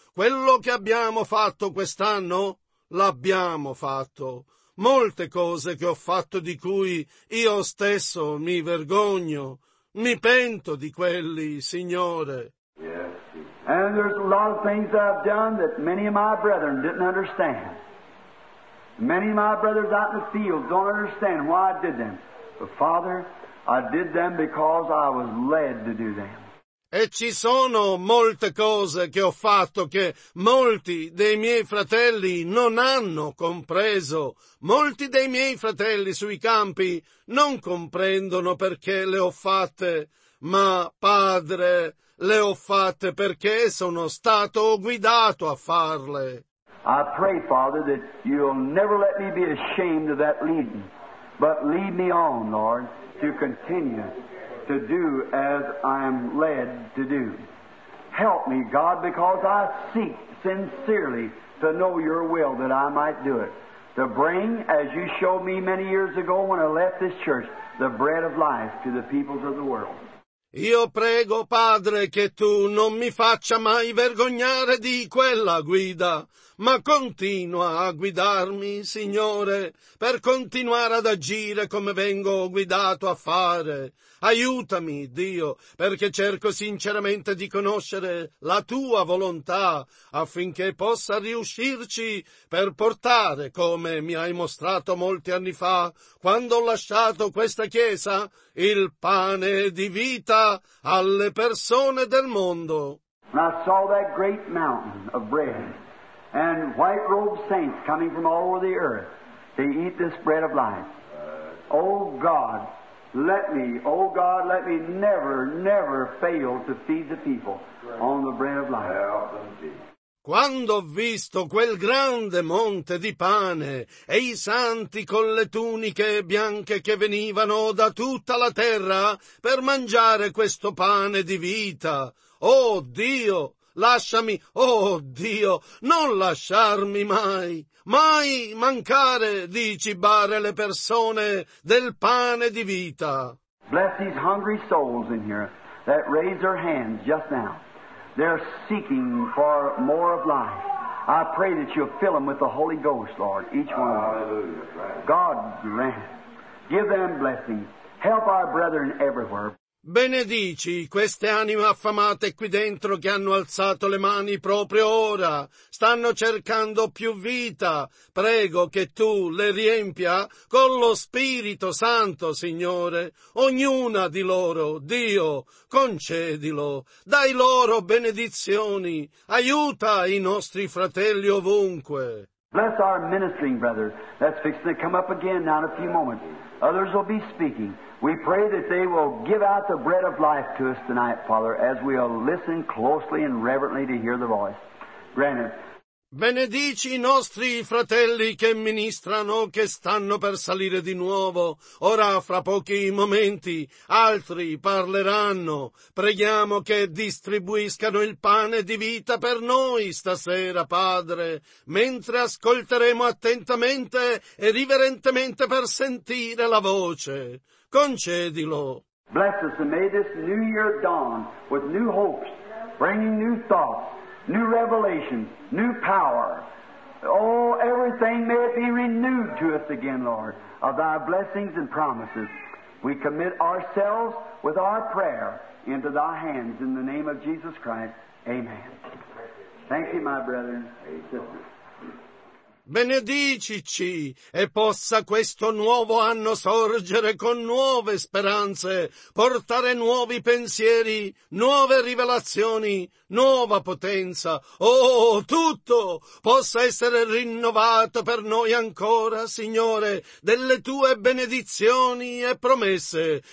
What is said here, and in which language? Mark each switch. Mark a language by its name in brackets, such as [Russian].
[Italian] Quello che abbiamo fatto quest'anno, l'abbiamo fatto. Molte cose che ho fatto di cui io stesso mi vergogno, mi pento di quelli, Signore. [English] Yes. And there's a lot of things that I've done that many of my brethren didn't understand. Many of my brothers out in the field don't understand why I did them. But Father, I did them because I was led to do them. [Italian] E ci sono molte cose che ho fatto che molti dei miei fratelli non hanno compreso. Molti dei miei fratelli sui campi non comprendono perché le ho fatte, ma, Padre, le ho fatte perché sono stato guidato a farle. [English] I pray, Father, that you'll never let me be ashamed of that leading, but lead me on, Lord, to continue to do as I am led to do. Help me, God, because I seek sincerely to know your will that I might do it. To bring, as you showed me many years ago when I left this church, the bread of life to the peoples of the world. [Italian] Io prego, Padre, che tu non mi faccia mai vergognare di quella guida, ma continua a guidarmi, Signore, per continuare ad agire come vengo guidato a fare. Aiutami, Dio, perché cerco sinceramente di conoscere la tua volontà affinché possa riuscirci per portare, come mi hai mostrato molti anni fa, quando ho lasciato questa chiesa, il pane di vita alle persone del mondo. [English] And I saw that great mountain of bread and white-robed saints coming from all over the earth to eat this bread of life. Oh God, let me, oh God, let me never, never fail to feed the people on the bread of life. [Italian] Quando ho visto quel grande monte di pane e i santi con le tuniche bianche che venivano da tutta la terra per mangiare questo pane di vita, oh Dio, lasciami, oh Dio, non lasciarmi mai, mai mancare di cibare le persone del pane di vita. [English] Bless these hungry souls in here that raise their hands just now. They're seeking for more of life. I pray that you'll fill them with the Holy Ghost, Lord, each one of them. Hallelujah. God grant. Give them blessing. Help our brethren everywhere. [Italian] Benedici queste anime affamate qui dentro che hanno alzato le mani proprio ora. Stanno cercando più vita. Prego che tu le riempia con lo Spirito Santo, Signore. Ognuna di loro, Dio, concedilo. Dai loro benedizioni. Aiuta i nostri fratelli ovunque. [English] Bless our ministering brother. That's fixing to come up again now in a few moments. Others will be speaking. We pray that they will give out the bread of life to us tonight, Father, as we will listen closely and reverently to hear the voice. Grant it. [Italian] Benedici i nostri fratelli che ministrano, che stanno per salire di nuovo. Ora, fra pochi momenti, altri parleranno. Preghiamo che distribuiscano il pane di vita per noi stasera, Padre, mentre ascolteremo attentamente e riverentemente per sentire la voce. Concedilo. [English] Bless us and may this new year dawn with new hopes, bringing new thoughts. New revelation, new power. Oh, everything may it be renewed to us again, Lord, of thy blessings and promises. We commit ourselves with our prayer into thy hands in the name of Jesus Christ. Amen. Thank you, my brethren and sisters. [Italian] Benedicici e possa questo nuovo anno sorgere con nuove speranze, portare nuovi pensieri, nuove rivelazioni, nuova potenza. Oh, tutto possa essere rinnovato per noi ancora, Signore, delle Tue benedizioni e promesse.